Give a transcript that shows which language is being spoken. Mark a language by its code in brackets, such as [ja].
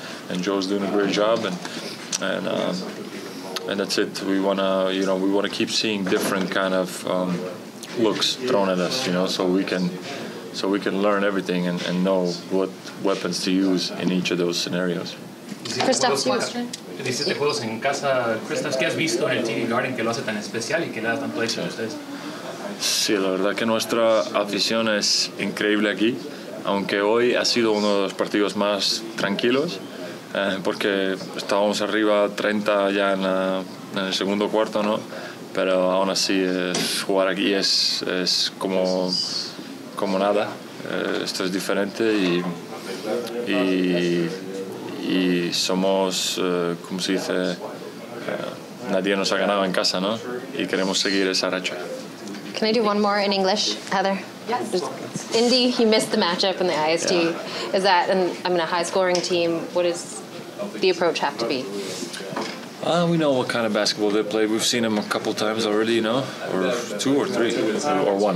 [en] And Joe's doing a great job, and that's it. We wanna, you know, we wanna keep seeing different kind of looks thrown at us, you know, so we can learn everything and know what weapons to use in each of those scenarios. Kristaps, [es] dices de juegos en casa, Kristaps, ¿qué has visto en el TD Garden que lo hace tan especial y que le da tanto éxito a ustedes? Sí, la verdad que nuestra afición es increíble aquí, aunque hoy ha sido uno de los partidos más tranquilos. Porque estábamos arriba 30 ya en el segundo cuarto, ¿no? pero aún así jugar aquí es como nada. Esto es diferente y somos, como se dice, nadie nos ha ganado en casa, ¿no? Y queremos seguir esa racha. [en] Can I do one more in English, Heather? Yes. Indy, you missed the matchup in the IST. Yeah. Is that, a high-scoring team? What does the approach have to be? We know what kind of basketball they play. We've seen them a couple times already, you know, or two or three, or one.